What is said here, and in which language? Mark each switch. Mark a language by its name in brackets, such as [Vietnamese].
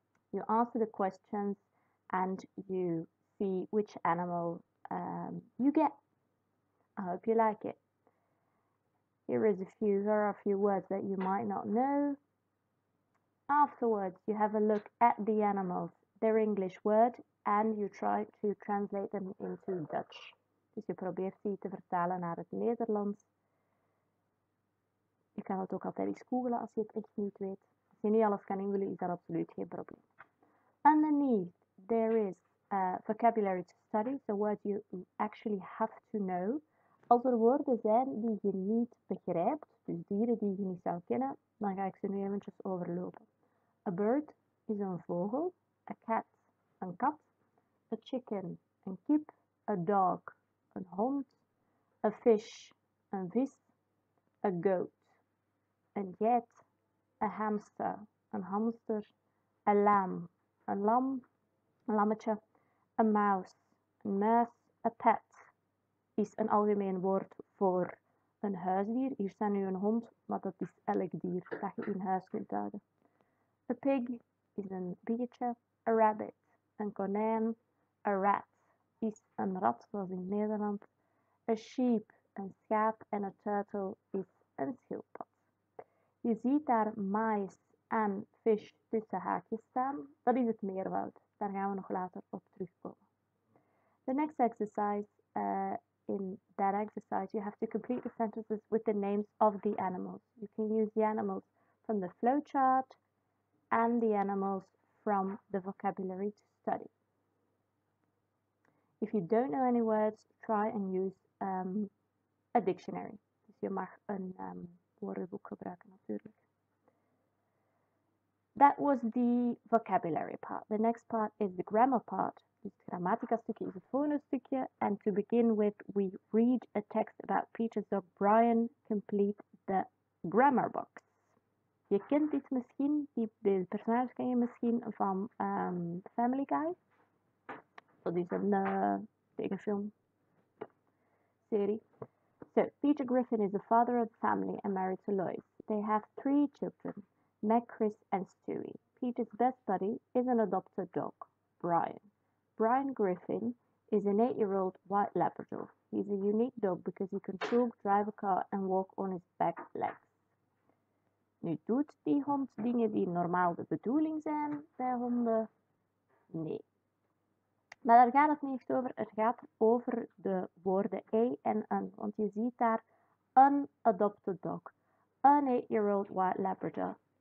[English] You answer the questions and you see which animal you get. I hope you like it. Here is a few, there are a few words that you might not know. Afterwards, you have a look at the animals, their English word, and you try to translate them into Dutch. [Dutch] Dus je probeert die te vertalen naar het Nederlands. Je kan het ook altijd eens googlen als je het echt niet weet. Als je niet alles kan invullen, is dat absoluut geen probleem. [English] Underneath, there is a vocabulary to study, the word you actually have to know. [Dutch] Als er woorden zijn die je niet begrijpt, dus dieren die je niet zou kennen, dan ga ik ze nu eventjes overlopen. [English] A bird [Dutch] is een vogel. [English] A cat, [Dutch] een kat. [English] A chicken, [Dutch] een kip. [English] A dog, [Dutch] een hond. [English] A fish, [Dutch] een vis. [English] A goat, [Dutch] een geit. [English] A hamster, [Dutch] een hamster. [English] A lamb, [Dutch] een lam, een lammetje. [English] A mouse, [Dutch] een muis. [English] A pet. [Dutch] Is een algemeen woord voor een huisdier. Hier staat nu een hond, maar dat is elk dier dat je in huis kunt houden. [English] A pig [Dutch] is een biertje. [English] A rabbit, [Dutch] een konijn. [English] A rat [Dutch] is een rat, zoals in Nederland. [English] A sheep, [Dutch] een schaap. En [English] a turtle [Dutch] is een schildpad. Je ziet daar mais en fish tussen haakjes staan. Dat is het meervoud. Daar gaan we nog later op terugkomen. [English] The next exercise. In that exercise, you have to complete the sentences with the names of the animals. You can use the animals from the flowchart and the animals from the vocabulary to study. If you don't know any words, try and use a dictionary. [Dutch] Dus je mag een woordenboek gebruiken natuurlijk. [English] That was the vocabulary part. The next part is the grammar part. [Dutch] Het grammatica stukje is het volgende stukje. [English] And to begin with, we read a text about Peter's dog Brian. Complete the grammar box. [Dutch] Je kent dit misschien. Die personage ken je misschien van Family Guy. Dat is een tekenfilm. Serie. [English] So, Peter Griffin is the father of the family and married to Lois. They have three children. Meg, Chris and Stewie. Peter's best buddy is an adopted dog, Brian. Brian Griffin is an 8-year-old white Labrador. He's a unique dog because he can talk, drive a car and walk on his back legs. [Dutch] Nu doet die hond dingen die normaal de bedoeling zijn bij honden? Nee. Maar daar gaat het niet echt over. Het gaat over de woorden e en een. Want je ziet daar een [English] adopted dog. [Dutch] Een [English] 8-year-old white Labrador.